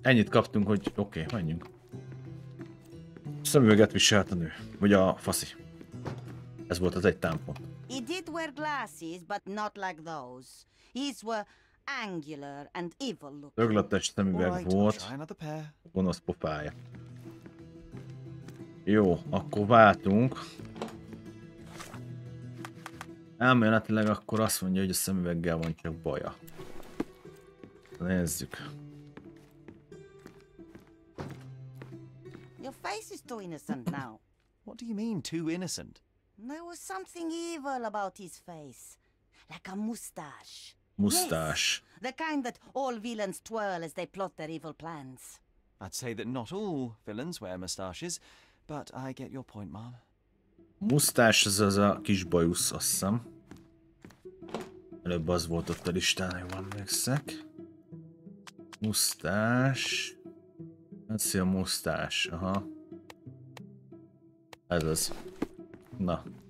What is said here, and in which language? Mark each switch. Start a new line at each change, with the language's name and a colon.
Hungarian: Ennyit kaptunk, hogy oké, menjünk. Szemüveget viselt a nő, vagy a faszi. Ez volt az egy támpont.
English: He did wear glasses, but not like those. His were angular and evil looking.
Hungarian: Öglöttes szemüveg volt, a gonosz pofája. Jó, akkor váltunk. Elméletileg akkor azt mondja, hogy a szemüveggel van csak baja. Nézzük.
English: Your face is too innocent now. What do you mean, too innocent? There was something evil about his face. Like a mustache. Mustache. Yes, the kind that all villains twirl as they plot their evil plans. I'd say that not all villains wear mustaches. But I get your point, Mom.
Hungarian: Mustás az az a kis bajusz, azt hiszem. Előbb az volt ott a listán, ha jól emlékszek. Mustás. Ez a mustás, aha. Ez az. Na.